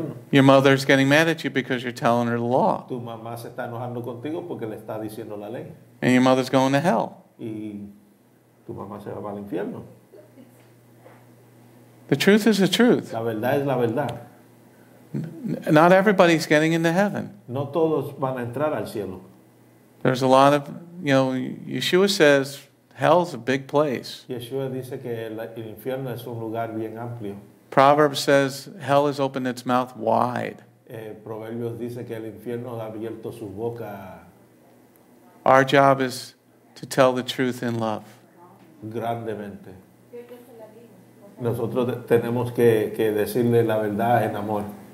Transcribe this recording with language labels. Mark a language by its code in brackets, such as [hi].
[en] Your mother's getting mad at you because you're telling her the law. [es] Tu mamá se está enojando contigo porque le está diciendo la ley. [en] And your mother's going to hell. [es] Y tu mamá se va al infierno. [en] The truth is the truth. [es] La verdad es la verdad. [en] Not everybody's getting into heaven. [es] No todos van a entrar al cielo. [en] There's a lot of, you know, Yeshua says hell's a big place. [es] Yeshua dice que el infierno es un lugar bien amplio. [en] Proverbs says hell has opened its mouth wide. [es] Proverbios dice que el infierno ha abierto su boca. [en] Our job is to tell the truth in love. [es] Grandemente. Nosotros tenemos que decirle la verdad en amor.